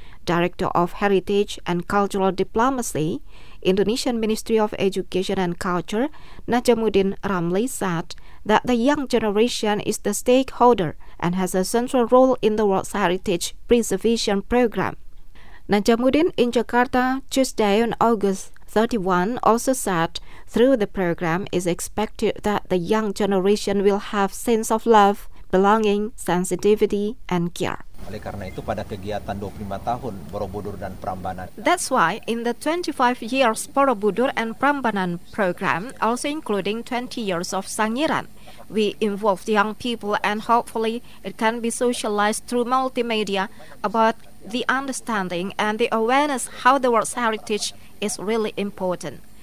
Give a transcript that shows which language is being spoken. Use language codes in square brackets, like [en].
[en] Director of Heritage and Cultural Diplomacy, Indonesian Ministry of Education and Culture, Najamuddin Ramli, said that the young generation is the stakeholder and has a central role in the World Heritage Preservation Program. Najamuddin in Jakarta Tuesday on August 31 also said through the program is expected that the young generation will have sense of love, belonging, sensitivity, and care. [id] Oleh karena itu pada kegiatan 25 tahun Borobudur dan Prambanan. [en] That's why in the 25 years Borobudur and Prambanan program, also including 20 years of Sangiran, we involve young people and hopefully it can be socialized through multimedia about the understanding and the awareness how the world's heritage is really important.